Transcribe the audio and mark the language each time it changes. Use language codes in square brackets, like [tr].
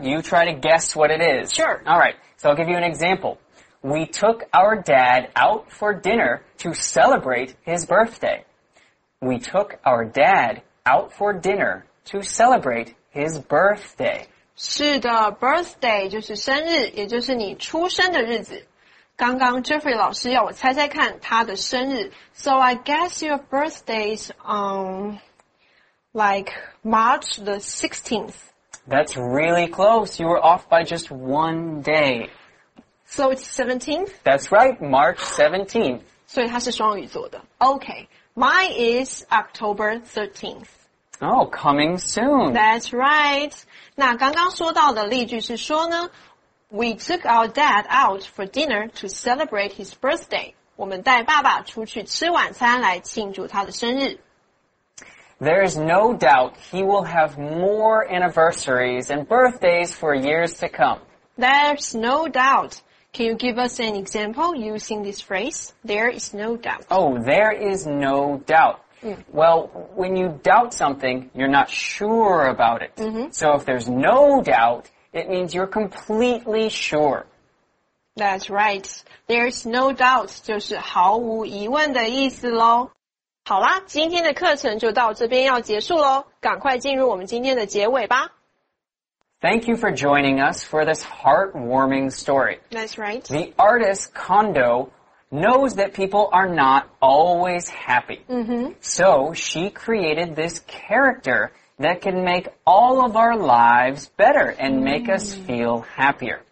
[en] You try to guess what it is. Sure. All right. So I'll give you an example. We took our dad out for dinner to celebrate his birthday. We took our dad out for dinner to celebrate his birthday. [zh] 是的 ,birthday 就是生日也就是你出生的日子。刚刚 Jeffrey 老师要我猜猜看他的生日。 [en] So I guess your birthday is on like March the 16th. That's really close. You were off by just one day. So it's 17th? That's right, March 17th. [zh] 所以他是双鱼座的。 [en] Okay, mine is October 13th. Oh, coming soon. That's right. [zh] 那刚刚说到的例句是说呢 [en] ,We took our dad out for dinner to celebrate his birthday. [zh] 我们带爸爸出去吃晚餐来庆祝他的生日。 [en] There is no doubt he will have more anniversaries and birthdays for years to come. There's no doubt. Can you give us an example using this phrase? There is no doubt. Oh, there is no doubt. Well, when you doubt something, you're not sure about it. Mm-hmm. So if there's no doubt, it means you're completely sure. That's right. There's no doubt, [zh] 就是毫无疑问的意思咯。好啦，今天的课程就到这边要结束咯。赶快进入我们今天的结尾吧。 [en] Thank you for joining us for this heartwarming story. That's right. The artist Kondo... knows that people are not always happy. Mm-hmm. So she created this character that can make all of our lives better and make us feel happier.